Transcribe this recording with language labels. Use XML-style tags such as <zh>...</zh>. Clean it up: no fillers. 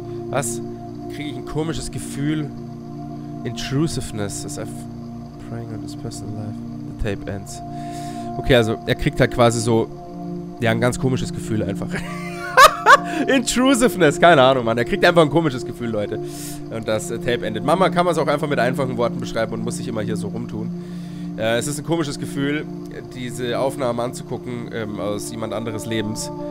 <de>Was? Kriege ich ein komisches Gefühl?</de> <en>Intrusiveness. As I'm praying on this person's life. The tape ends.</en> <de>Okay, also er kriegt halt quasi so... Ja, ein ganz komisches Gefühl einfach. Intrusiveness, keine Ahnung, Mann. Er kriegt einfach ein komisches Gefühl, Leute. Und das Tape endet. Mama, kann man es auch einfach mit einfachen Worten beschreiben und muss sich immer hier so rumtun. Es ist ein komisches Gefühl, diese Aufnahme anzugucken aus jemand anderes Lebens.</de>